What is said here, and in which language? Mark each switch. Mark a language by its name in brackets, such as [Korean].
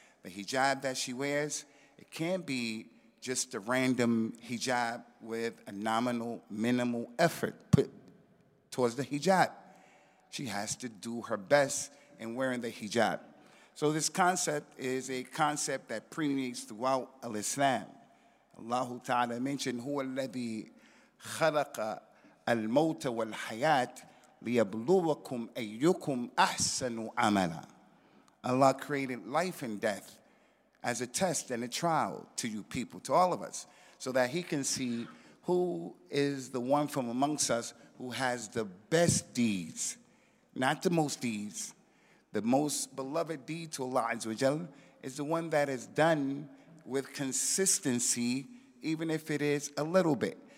[English] The hijab that she wears, it can't be just a random hijab with a nominal, minimal effort put towards the hijab. She has to do her best in wearing the hijab. So this concept is a concept that permeates throughout al-Islam. Allah Ta'ala mentioned, [Arabic] هو الذي خلق الموت والحياة ليبلوكم أيكم أحسن عملا. [English] Allah created life and death as a test and a trial to you people, to all of us, so that he can see who is the one from amongst us who has the best deeds, not the most deeds. The most beloved deed to Allah Azza wa Jalla is the one that is done with consistency, even if it is a little bit.